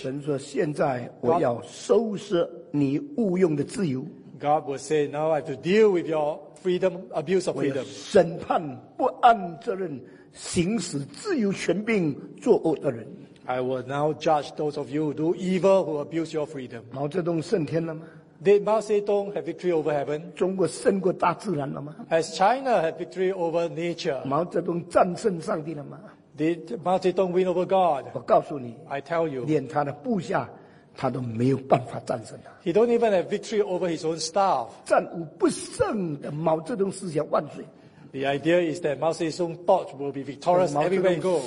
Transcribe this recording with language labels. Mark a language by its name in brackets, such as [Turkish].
[Chinese] 神说现在我要收拾你误用的自由 [English] God will say, now I have to deal with your freedom, abuse of freedom. [Chinese] 我要审判不按责任行使自由权柄作恶的人 [English] I will now judge those of you who do evil, who abuse your freedom. [Chinese] 毛泽东胜天了吗 [English] ？Did Mao Zedong have victory over heaven? [Chinese] 中国胜过大自然了吗 [English] ？Has China had victory over nature? [Chinese] 毛泽东战胜上帝了吗 [English] ？Did Mao Zedong win over God? [Chinese] 我告诉你 [English] ，I tell you， [Chinese] 连他的部下他都没有办法战胜他。 [English] He don't even have victory over his own staff. [Chinese] 战无不胜的毛泽东思想万岁。 [English] The idea is that Mao Zedong thought will be victorious everywhere he goes.